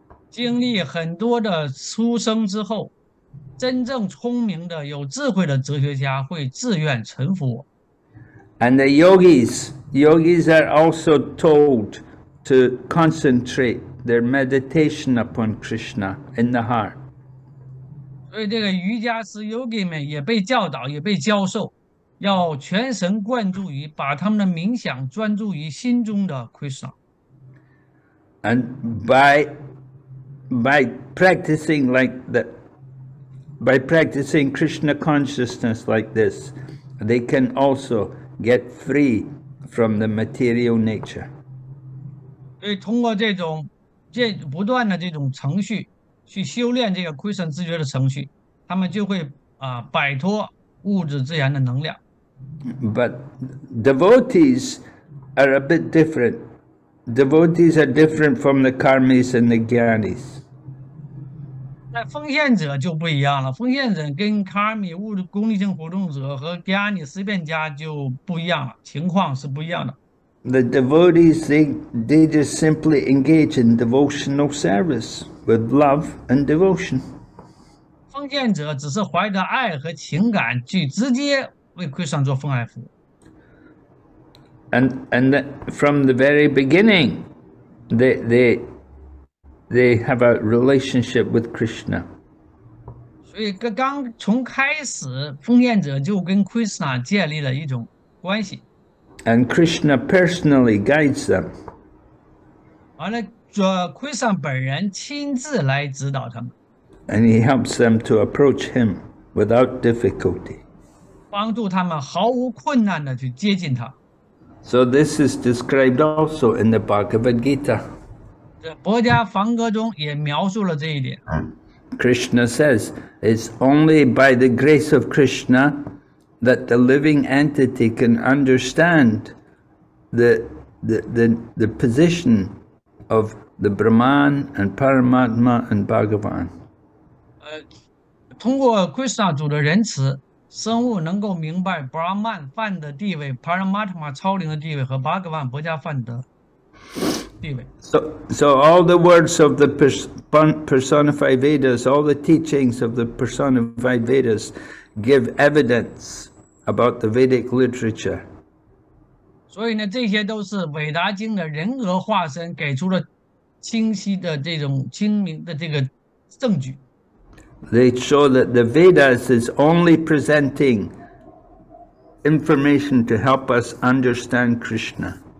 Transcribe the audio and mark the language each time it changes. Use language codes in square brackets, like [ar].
[zh] 经历很多的出生之后，真正聪明的、有智慧的哲学家会自愿臣服我。 [en] And the yogis are also told to concentrate their meditation upon Krishna in the heart. [zh] 所以这个瑜伽师 yogi 们也被教导，也被教授，要全神贯注于，把他们的冥想专注于心中的 Krishna. [en] And by practicing like that, by practicing Krishna consciousness like this, they can also. Get free from the material nature. [zh] 所以通过这种这不断的这种程序去修炼这个 Krishna 自觉的程序，他们就会摆脱物质自然的能量。 [en] But devotees are a bit different. Devotees are different from the karmis and the gyanis. [zh] 那奉献者就不一样了，奉献者跟 karmi 物质功利性活动者和 gyani 思辨家就不一样了，情况是不一样的。 [en] The devotees they just simply engage in devotional service with love and devotion. [zh] 奉献者只是怀着爱和情感去直接为 Krishna 做奉献服务。 [en] And from the very beginning, they have a relationship with Krishna. [zh] 所以刚从开始, 奉献者就跟Krishna建立了一种关系。 [en] And Krishna personally guides them. [zh] 完了, Krishna本人亲自来指导他们。 [en] And he helps them to approach him without difficulty. [zh] 帮助他们毫无困难地去接近他。 [en] So this is described also in the Bhagavad Gita. [zh] 这《薄伽梵歌》中也描述了这一点。 [en] Krishna says, it's only by the grace of Krishna that the living entity can understand the position of the Brahman and Paramatma and Bhagavan. [zh] 通过Krishna主的仁慈, 生物能够明白 Brahman 梵的地位, Paramatma 超灵的地位 和 Bhagavan 薄伽梵的地位。 [en] So all the words of the personified Vedas, all the teachings of the personified Vedas give evidence about the Vedic literature. [zh] 所以呢, 这些都是伟达经的人格化身, 给出了清晰的这种清明的这个证据。 [en] They show that the Vedas is only presenting information to help us understand Krishna.